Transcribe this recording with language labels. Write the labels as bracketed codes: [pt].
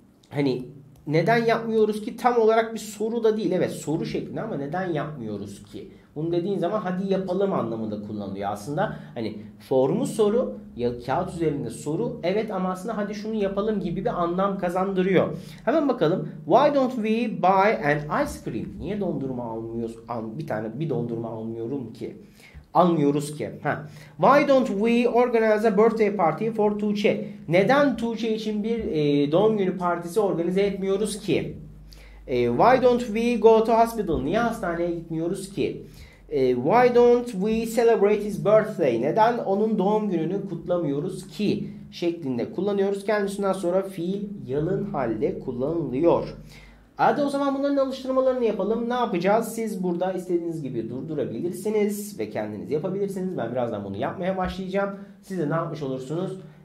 [tr] Hani neden yapmıyoruz ki? Tam olarak bir soru da değil. Evet soru şeklinde ama neden yapmıyoruz ki? Bunu dediğin zaman hadi yapalım anlamında kullanılıyor aslında. Hani formu soru, ya kağıt üzerinde soru. Evet ama aslında hadi şunu yapalım gibi bir anlam kazandırıyor. Hemen bakalım. [en] Why don't we buy an ice cream? [tr] Niye dondurma almıyoruz? Bir dondurma almıyorum ki. Almıyoruz ki. [en] Why don't we organize a birthday party for Tuğçe? [tr] Neden Tuğçe için bir doğum günü partisi organize etmiyoruz ki? [en] Why don't we go to hospital? [tr] Niye hastaneye gitmiyoruz ki? [en] Why don't we celebrate his birthday? [tr] Neden onun doğum gününü kutlamıyoruz ki? Şeklinde kullanıyoruz. Kendisinden sonra fiil yalın halde kullanılıyor. Hadi o zaman bunların alıştırmalarını yapalım. Ne yapacağız? Siz burada istediğiniz gibi durdurabilirsiniz ve kendiniz yapabilirsiniz. Ben birazdan bunu yapmaya başlayacağım. Siz de ne yapmış olursunuz?